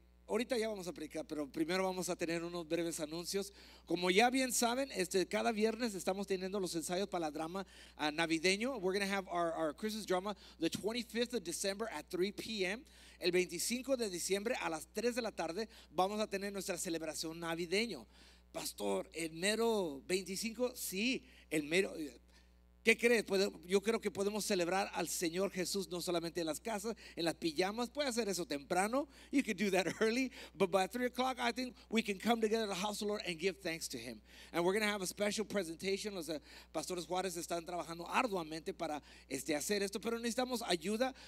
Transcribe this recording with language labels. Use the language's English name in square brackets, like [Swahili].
[Spanish] ahorita ya vamos a predicar, pero primero vamos a tener unos breves anuncios. Como ya bien saben, cada viernes estamos teniendo los ensayos para la drama navideño. [English] We're going to have our Christmas drama the 25th of December at 3 p.m. [Spanish] El 25 de diciembre a las 3 de la tarde vamos a tener nuestra celebración navideño. Pastor, el mero 25, sí, el mero... ¿Qué crees? Yo creo que podemos celebrar al Señor Jesús no solamente en las casas, en las pijamas. Puede hacer eso temprano. [English] You can do that early. But by 3 o'clock, I think we can come together to the house of the Lord and give thanks to Him. And we're going to have a special presentation. [Spanish] Los pastores Juárez están trabajando arduamente para hacer esto, pero necesitamos ayuda.